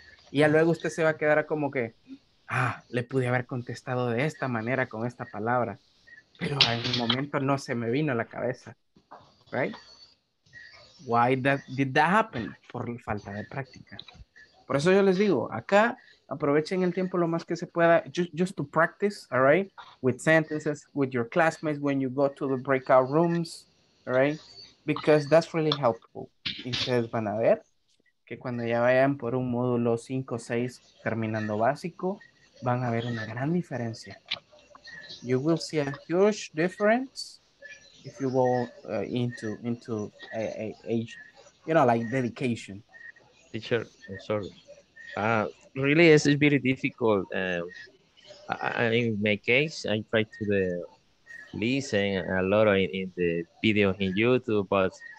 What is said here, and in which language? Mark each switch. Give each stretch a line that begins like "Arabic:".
Spanish: Y ya luego usted se va a quedar como que, ah, le pude haber contestado de esta manera con esta palabra, pero en el momento no se me vino a la cabeza. Right?
English: Why did that happen?
Spanish: Por falta de práctica. Por eso yo les digo, acá aprovechen el tiempo lo más que se pueda,
English: just to practice,
Spanish: all right?
English: With sentences, with your classmates, when you go to the breakout rooms, all right? Because that's really helpful.
Spanish: Y ustedes van a ver que cuando ya vayan por un módulo 5 o 6 terminando básico, van a ver una gran diferencia.
English: You will see a huge difference if you go into age, you know, like dedication. Teacher, sorry. Really, this is very difficult. In my case, I try to listen a lot in the video in YouTube, but